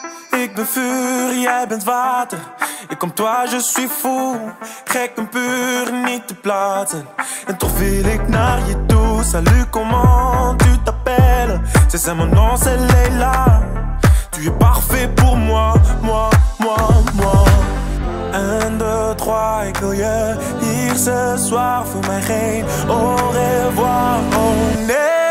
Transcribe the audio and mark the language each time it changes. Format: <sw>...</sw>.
<nl>Ik ben vuur, jij bent water.</nl> <fr>Et comme toi, je suis fou.</fr> <nl>Gek en puur, niet te plaatsen. En toch wil ik naar je toe.</nl> <fr>Salut, comment tu t'appelles? C'est ça, mon nom, c'est Leila. Tu es parfait pour moi, moi, moi, moi. Un, deux, trois,</fr> <nl>ik wil je hier</nl> <fr>ce soir.</fr> <nl>Voor mij geen</nl> <fr>au revoir,</fr> <nl>oh nee.</nl>